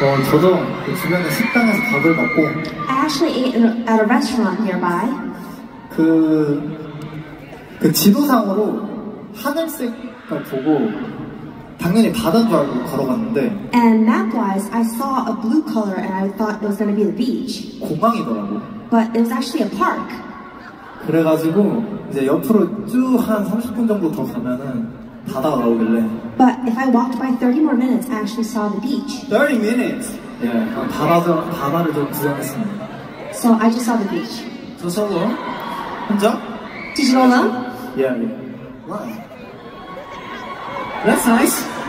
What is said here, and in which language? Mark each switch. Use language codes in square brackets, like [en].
[ko] 저도 그 주변에 식당에서 밥을 먹고 [en] I actually ate at a restaurant nearby. [ko] 그 지도상으로 하늘색을 보고 당연히 바다인 줄 알고 걸어갔는데 [en] And map-wise, I saw a blue color and I thought it was going to be the beach. [ko] 공항이더라고. [en] But it was actually a park. [ko] 그래가지고 이제 옆으로 쭉 한 30분 정도 더 가면은 바다 나오길래 [en] But if I walked by 30 more minutes, I actually saw the beach. 30 minutes? Yeah, [ko] 바다를 좀 구경했습니다. [en] So I just saw the beach. [ko] 저 solo? 혼자? [en] Did you solo? Yeah, yeah. Why? That's nice.